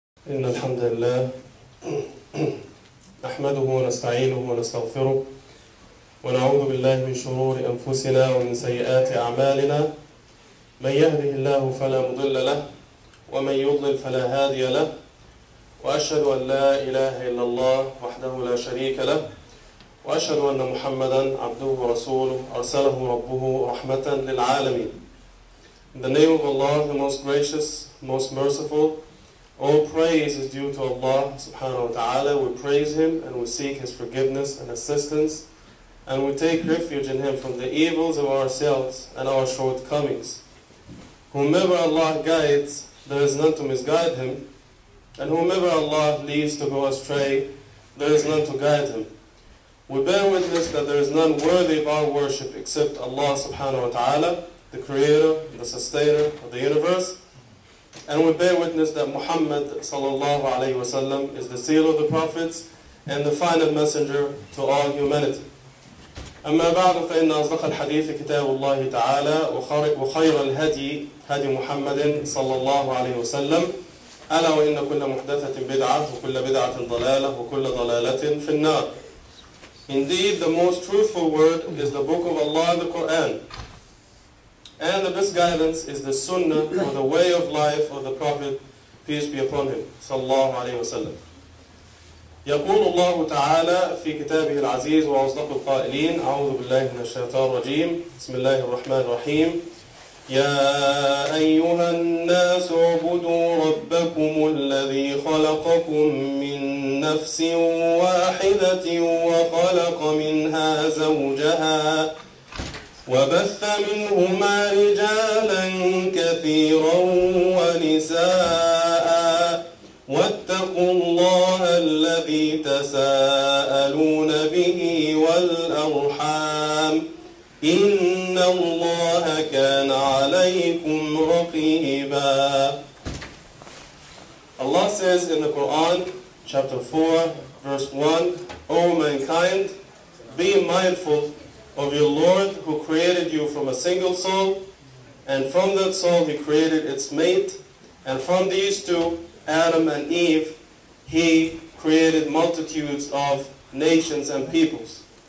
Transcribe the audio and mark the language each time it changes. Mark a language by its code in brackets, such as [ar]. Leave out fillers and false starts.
[ar] إن الحمد لله نحمده ونستعينه ونستغفره ونعوذ بالله من شرور أنفسنا ومن سيئات أعمالنا، من يهده الله فلا مضل له ومن يضلل فلا هادي له، وأشهد أن لا إله إلا الله وحده لا شريك له، وأشهد أن محمدًا عبده ورسوله أرسله ربه رحمة للعالمين. [en] In the name of Allah, the most gracious, most merciful, all praise is due to Allah subhanahu wa ta'ala. We praise Him and we seek His forgiveness and assistance, and we take refuge in Him from the evils of ourselves and our shortcomings. Whomever Allah guides, there is none to misguide him, and whomever Allah leads to go astray, there is none to guide him. We bear witness that there is none worthy of our worship except Allah subhanahu wa ta'ala, the creator, the sustainer of the universe. And we bear witness that Muhammad sallallahu alayhi wa sallam is the seal of the prophets and the final messenger to all humanity. [ar] أما بعد فإن أصدق الحديث كتاب الله تعالى وخير الهدي هدي محمد صلى الله عليه وسلم ألا وإن كل محدثة بدعة وكل بدعة ضلالة وكل ضلالة في النار. [en] Indeed, the most truthful word is the book of Allah, the Quran. And the best guidance is the sunnah, or the way of life of the Prophet, peace be upon him, sallallahu alayhi wa sallam. [ar] يقول الله تعالى في كتابه العزيز وأصدق القائلين أعوذ بالله من الشيطان الرجيم بسم الله الرحمن الرحيم يا أيها الناس اعبدوا ربكم الذي خلقكم من نفس واحدة وخلق منها زوجها وبث منهما رجالا كثيرا ونساء واتقوا الله الذي تساءلون به والأرحام إن الله كان عليكم رقيبا. [en] Allah says in the Quran, chapter 4, verse 1, O mankind, be mindful of your Lord who created you from a single soul, and from that soul He created its mate, and from these two, Adam and Eve, He created multitudes of nations and peoples.